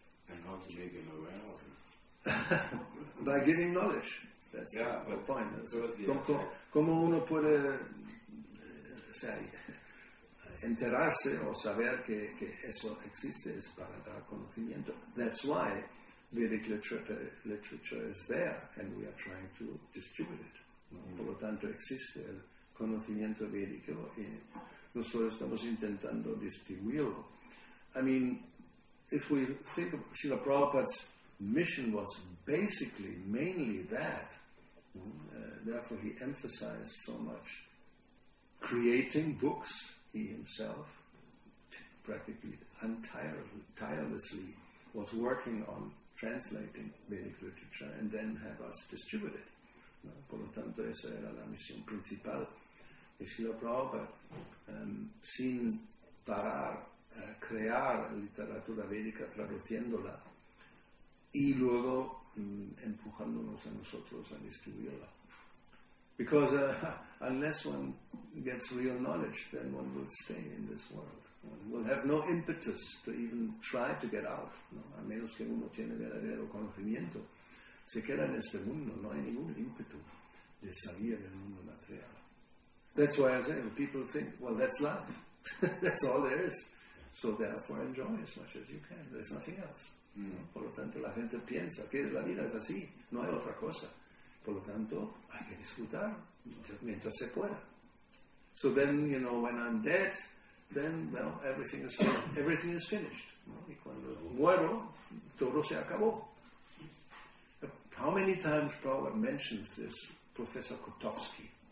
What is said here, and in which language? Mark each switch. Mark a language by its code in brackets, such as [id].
[en] And how to make them aware of it? By giving knowledge. That's yeah, the point. That's [es] ¿Cómo uno puede enterarse o saber que eso existe? Es para dar conocimiento. [en] That's why Vedic literature is there and we are trying to distribute it. Mm-hmm. [es] Por lo tanto, existe el conocimiento védico y nosotros estamos intentando distribuirlo. [en] I mean, if we think of Srila Prabhupada's mission was basically mainly that, therefore he emphasized so much creating books, he himself practically tirelessly was working on translating Vedic literature and then have us distribute it. [es] No? Por lo tanto, esa era la misión principal. Y Srila Prabhupada, sin parar, crear literatura védica traduciéndola y luego empujándonos a nosotros a distribuirla. [en] Because unless one gets real knowledge, then one will stay in this world. One will have no impetus to even try to get out. No? [es] A menos que uno tiene verdadero conocimiento, se queda en este mundo. No hay ningún ímpetu de salir del mundo material. [en] That's why I say, when people think, well, that's life. That's all there is. So therefore, enjoy as much as you can. There's nothing else. No? [es] Por lo tanto, la gente piensa que la vida es así. No hay otra cosa. Por lo tanto, hay que disfrutar mientras se pueda. [en] So then, you know, when I'm dead, then, well, everything is finished. Everything is finished. No? [es] Y cuando muero, todo se acabó. [en] How many times Prabhupada mentions this Professor Kotowski?